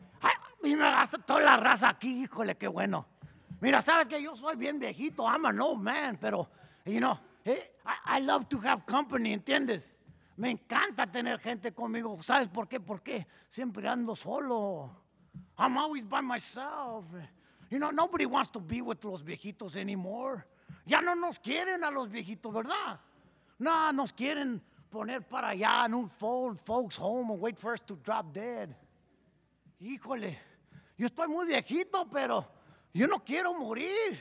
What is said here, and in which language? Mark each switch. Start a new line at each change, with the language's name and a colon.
Spanish: Ay, y me gasta toda la raza aquí, híjole, qué bueno. Mira, sabes que yo soy bien viejito,
English: I'm an old man,
Spanish: pero,
English: you know, I love to have company,
Spanish: ¿entiendes? Me encanta tener gente conmigo, ¿sabes por qué? Porque siempre ando solo.
English: I'm always by myself. You know, nobody wants to be with
Spanish: los viejitos
English: anymore.
Spanish: Ya no nos quieren a los viejitos, ¿verdad? No, nos quieren poner para allá en un
English: fold, folks home and wait for us to drop dead.
Spanish: Híjole, yo estoy muy viejito, pero yo no quiero morir.